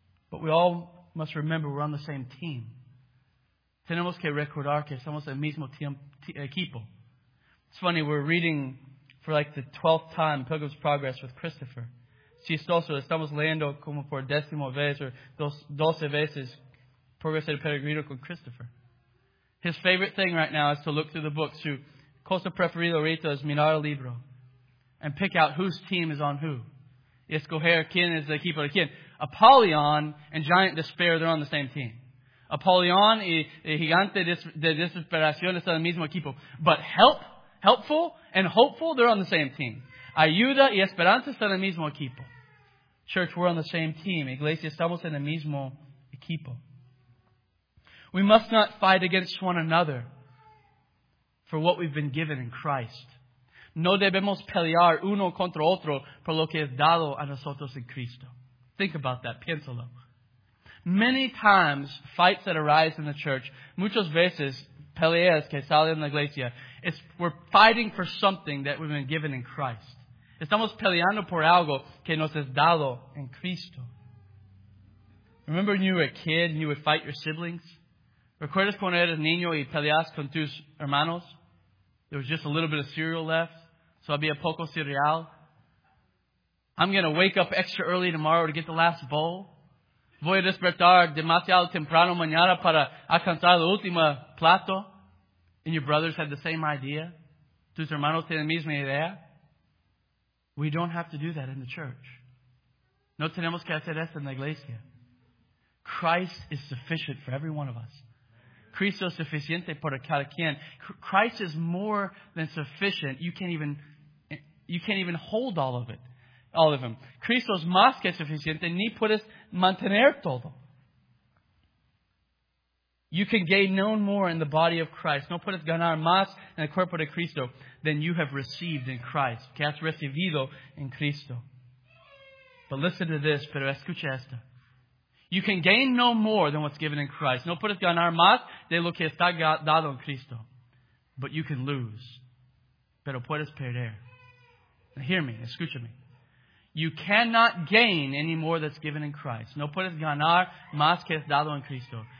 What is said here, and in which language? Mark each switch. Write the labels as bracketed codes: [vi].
[en] But we all must remember we're on the same team. [es] Tenemos que recordar que somos el mismo equipo. [en] It's funny, we're reading for like the 12th time Pilgrim's Progress with Christopher. [es] Chistoso, estamos leyendo como por décimo vez o 12 veces Progreso del Peregrino con Christopher. [en] His favorite thing right now is to look through the books. [es] Su cosa preferida ahorita es mirar el libro. [en] And pick out whose team is on who. [es] Escoger quién es el equipo de quién. [en] Apollyon and Giant Despair, they're on the same team. [es] Apollyon y Gigante de Desesperación están en el mismo equipo. [en] But Helpful and Hopeful, they're on the same team. [es] Ayuda y Esperanza están en el mismo equipo. [en] Church, we're on the same team. [es] Iglesia, estamos en el mismo equipo. [en] We must not fight against one another for what we've been given in Christ. [es] No debemos pelear uno contra otro por lo que es dado a nosotros en Cristo. [en] Think about that. [es] Piénsalo. [en] Many times, fights that arise in the church, [es] muchas veces, peleas que salen en la iglesia, [en] we're fighting for something that we've been given in Christ. [es] Estamos peleando por algo que nos es dado en Cristo. [en] Remember when you were a kid and you would fight your siblings? [es] ¿Recuerdas cuando eras niño y peleas con tus hermanos? [en] There was just a little bit of cereal left, so [es] había poco cereal. [en] I'm going to wake up extra early tomorrow to get the last bowl. [es] Voy a despertar demasiado temprano mañana para alcanzar el último plato. [en] And your brothers had the same idea. [es] Tus hermanos tienen la misma idea. [en] We don't have to do that in the church. [es] No tenemos que hacer eso en la iglesia. [en] Christ is sufficient for every one of us. [es] Cristo es suficiente para cada quien. [en] Christ is more than sufficient. You can't even hold all of him. [es] Cristo es más que suficiente, ni puedes mantener todo. [en] You can gain no more in the body of Christ, [es] no puedes ganar más en el cuerpo de Cristo [en] than you have received in Christ, [es] que has recibido en Cristo. [en] But listen to this, [es] pero escucha esto. [en] You can gain no more than what's given in Christ. [es] No puedes ganar más de lo que está dado en Cristo. [en] But you can lose. [es] Pero puedes perder. [en] Now hear me. [es] Escucha me. [en] You cannot gain any more that's given in Christ. [es] No puedes ganar más que es dado en Cristo.